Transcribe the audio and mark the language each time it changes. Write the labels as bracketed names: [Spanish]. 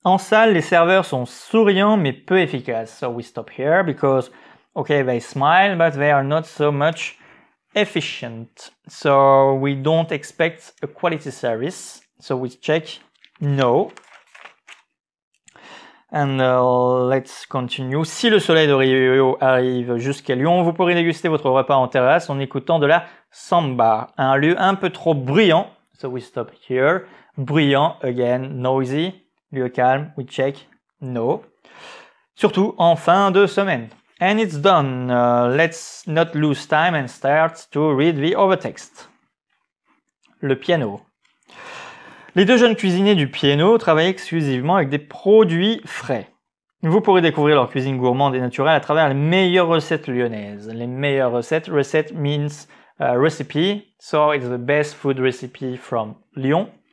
[French] En salle, les serveurs sont souriants mais peu efficaces. [English] So we stop here because, okay, they smile but they are not so much efficient. So we don't expect a quality service. So we check no. And let's continue. [French] Si le soleil de Rio arrive jusqu'à Lyon, vous pourrez déguster votre repas en terrasse en écoutant de la samba. Un lieu un peu trop bruyant. [English] So we stop here. [French] Bruyant, again, noisy. Lieu calme, [English] we check, no. [French] Surtout en fin de semaine. [English] And it's done. Let's not lose time and start to read the other text. [French] Le piano. Les deux jeunes cuisiniers du piano travaillent exclusivement avec des produits frais. Vous pourrez découvrir leur cuisine gourmande et naturelle à travers les meilleures recettes lyonnaises. Les meilleures recettes, recette [English] means recipe. So it's the best food recipe from Lyon.